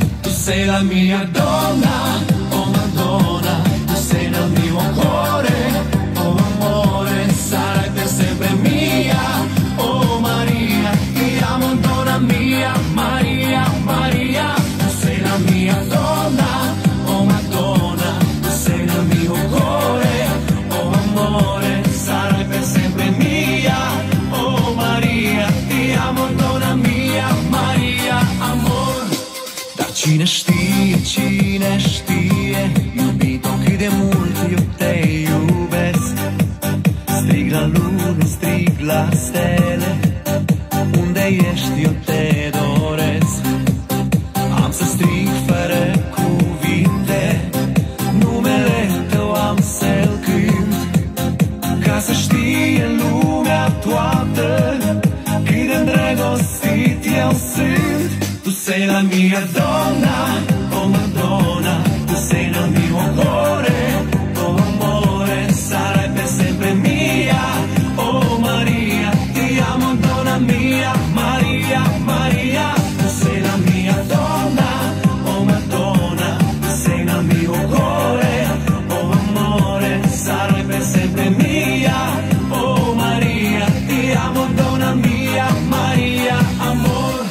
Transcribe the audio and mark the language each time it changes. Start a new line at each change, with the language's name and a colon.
Italian: sei la mia donna, oh Madonna, tu sei nel mio cuore, oh amore, sarai per sempre mia, oh Maria, ti amo donna mia, Maria, Maria, tu sei la mia donna, oh Madonna, tu sei nel mio cuore, oh amore, sarai per sempre mia, oh Maria, ti amo donna mia, Maria, amor.
Romanian: Da cine știe, cine știe, iubito cât de mult eu te iubesc, strig la lună, strig la stele, unde ești, eu te doresc. Am să strig fără cuvinte, numele tău am să-l cânt, ca să știe lumea toată cât de îndrăgostit eu sunt.
Italian: Tu sei la mia donna, o Madonna, tu sei la mio cuore, o amore, sarai per sempre mia, o Maria, ti amo donna mia, Maria, Maria. Tu sei la mia donna, o Madonna, tu sei la mio cuore, o amore, sarai per sempre mia, o Maria, ti amo donna mia, Maria, amor.